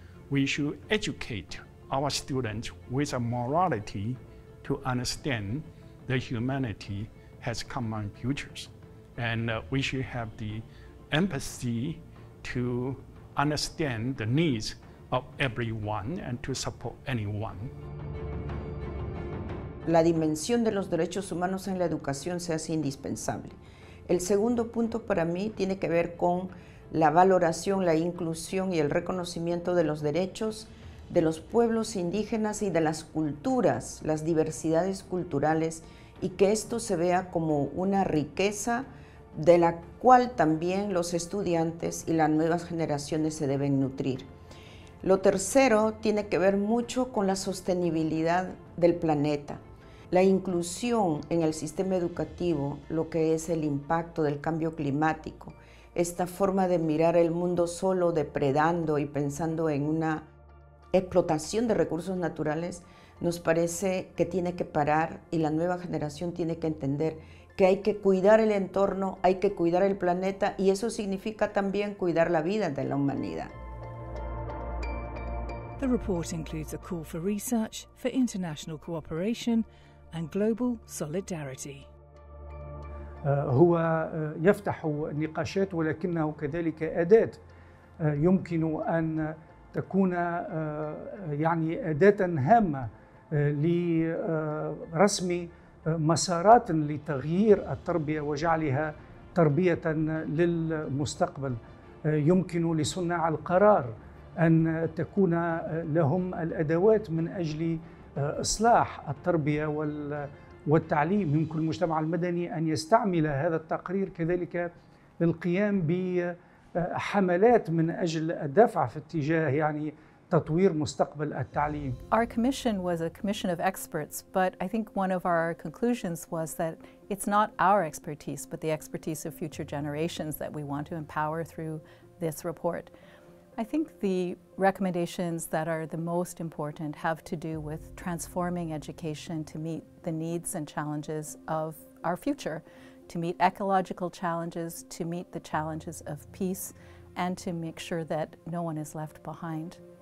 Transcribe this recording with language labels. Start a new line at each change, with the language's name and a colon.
English: We should educate our students with a morality to understand that humanity has common futures. And we should have the empathy to understand the needs of everyone and to support anyone.
Spanish: La dimensión de los derechos humanos en la educación se hace indispensable. El segundo punto para mí tiene que ver con la valoración, la inclusión y el reconocimiento de los derechos de los pueblos indígenas y de las culturas, las diversidades culturales, y que esto se vea como una riqueza de la cual también los estudiantes y las nuevas generaciones se deben nutrir. Lo tercero tiene que ver mucho con la sostenibilidad del planeta. La inclusión en el sistema educativo, lo que es el impacto del cambio climático, esta forma de mirar el mundo solo depredando y pensando en una explotación de recursos naturales, nos parece que tiene que parar y la nueva generación tiene que entender que hay que cuidar el entorno, hay que cuidar el planeta y eso significa también cuidar la vida de la humanidad.
English: The report includes a call for research, for international cooperation and global solidarity.
Arabic: هو يفتح نقاشات ولكنه كذلك أداة يمكن أن تكون يعني أداة هامة لرسم مسارات لتغيير التربية وجعلها تربية للمستقبل. يمكن لصناع القرار أن تكون لهم الأدوات من أجل إصلاح التربية والتعليم. يمكن المجتمع المدني أن يستعمل هذا التقرير كذلك للقيام بحملات من أجل الدفع في اتجاه يعني تطوير مستقبل التعليم.
English: Our commission was a commission of experts, but I think one of our conclusions was that it's not our expertise, but the expertise of future generations that we want to empower through this report. I think the recommendations that are the most important have to do with transforming education to meet the needs and challenges of our future, to meet ecological challenges, to meet the challenges of peace, and to make sure that no one is left behind.